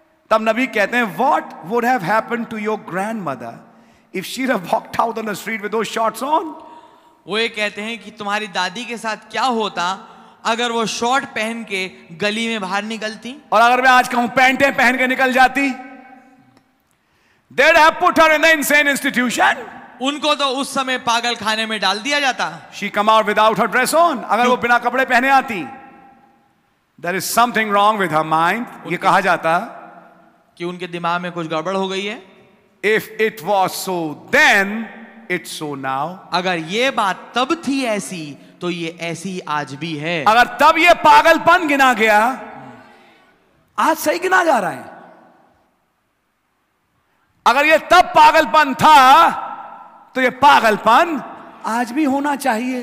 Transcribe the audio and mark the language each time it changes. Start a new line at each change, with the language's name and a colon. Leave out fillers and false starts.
Hindi: तब नबी कहते हैं,
English: What would have happened to your grandmother if she had walked out on the street with those shorts on.
Hindi: वो ये कहते हैं कि तुम्हारी दादी के साथ क्या होता अगर वो शॉर्ट पहन के गली में बाहर निकलती, और अगर मैं आज कहूं पैंटे पहन के निकल जाती।
English: They'd have put her in the insane institution.
Hindi: उनको तो उस समय पागल खाने में डाल दिया जाता।
English: She come out without her dress on.
Hindi: अगर वो बिना कपड़े पहने आती।
English: There is something wrong with her mind.
Hindi: ये कहा जाता कि उनके दिमाग में कुछ गड़बड़ हो गई है।
English: If it was so then, it's so now.
Hindi: अगर ये बात तब थी ऐसी, तो ये ऐसी आज भी है। अगर तब ये पागलपन गिना गया, आज सही गिना जा रहा है। अगर ये तब पागलपन था, तो ये पागलपन आज भी होना चाहिए।